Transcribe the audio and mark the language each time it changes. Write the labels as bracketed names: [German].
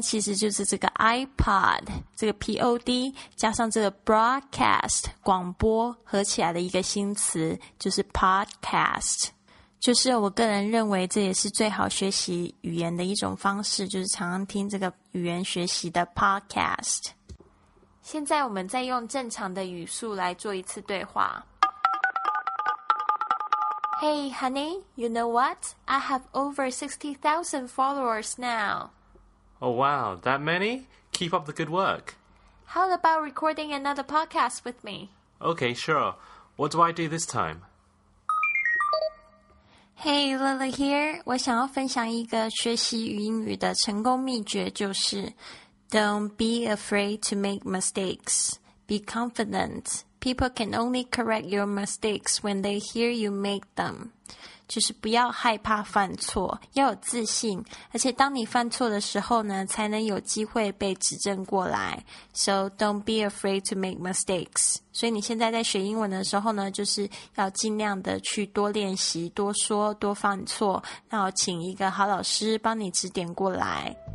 [Chinese] 其实就是这个 iPod, 这个 P-O-D, 加上这个 Broadcast, 广播合起来的一个新词，就是 Podcast。就是我个人认为这也是最好学习语言的一种方式，就是常常听这个语言学习的 podcast。现在我们再用正常的语速来做一次对话。 [English] Hey honey, you know what? I have over 60,000 followers now. Oh wow, that many? Keep up the good work. How about recording another podcast with me? Okay, sure. What do I do this time? Hey, Lily here. [Chinese] 我想要分享一个学习英语的成功秘诀，就是 [English] Don't be afraid to make mistakes. Be confident. People can only correct your mistakes when they hear you make them. [Chinese] 就是不要害怕犯错，要有自信，而且当你犯错的时候呢，才能有机会被指正过来。 [English] So don't be afraid to make mistakes. [Chinese] 所以你现在在学英文的时候呢，就是要尽量的去多练习，多说，多犯错，然后请一个好老师帮你指点过来。